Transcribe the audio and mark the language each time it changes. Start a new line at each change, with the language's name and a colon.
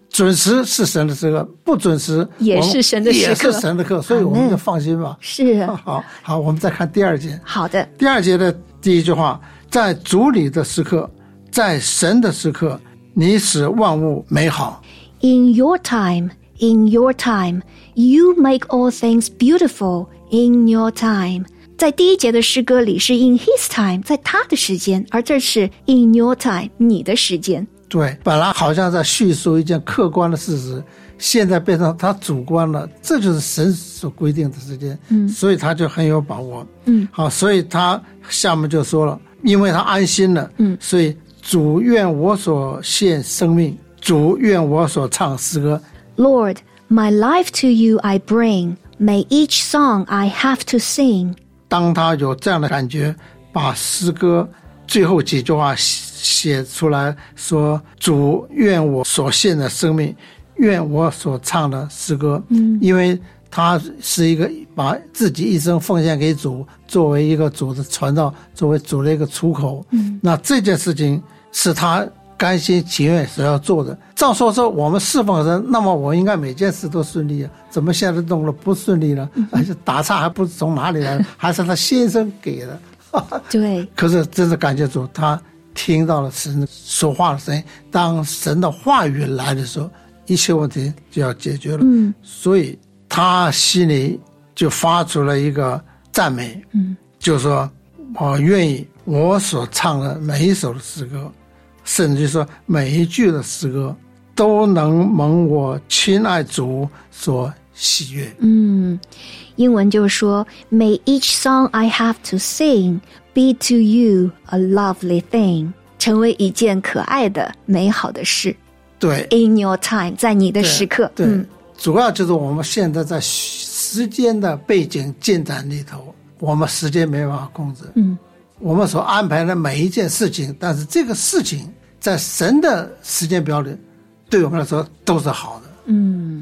Chinese: 准时是神的时刻，不准时也是神的时刻，也是神的刻，所以我们就放心吧，是，好好，我们再看第二节，好的，第二节的第一句话，在主里的时刻，在神的时刻，你使万物美好。
English: In your time, in your time, you make all things beautiful.
Chinese: In your time, 在第一节的诗歌里是 in his time, 在他的时间，而这是 in your time, 你的时间。对，本来好像在叙述一件客观的事实，现在变成他主观了，这就是神所规定的时间。嗯，所以他就很有把握。嗯，好，所以他下面就说了，因为他安心了。嗯，所以。主愿我所献生命，主愿我所唱诗歌。
English: Lord, my life to you I bring, may each song I have to sing.
Chinese: 当他有这样的感觉，把诗歌最后几句话写出来，说主愿我所献的生命，愿我所唱的诗歌。嗯，因为他是一个把自己一生奉献给主，作为一个主的传道，作为主的一个出口。嗯，那这件事情是他甘心情愿所要做的。照说说我们侍奉神，那么我应该每件事都顺利啊，怎么现在弄了不顺利了？而且打岔还不是从哪里来，还是他先生给的。对。可是真是感谢主，他听到了神说话的声音。当神的话语来的时候，一切问题就要解决了。嗯，所以。他心里就发出了一个赞美，嗯，就说我愿意我所唱的每一首的诗歌，甚至说每一句的诗歌都能蒙我亲爱主所喜悦。
English: 嗯，英文就说 May each song I have to sing be to you a lovely thing，成为一件可爱的美好的事。
Chinese: 对， In your time，在你的时刻。对。对嗯，主要就是我们现在在时间的背景进展里头，我们时间没办法控制。嗯，我们所安排的每一件事情，但是这个事情在神的时间表里，对我们来说都是好的。嗯，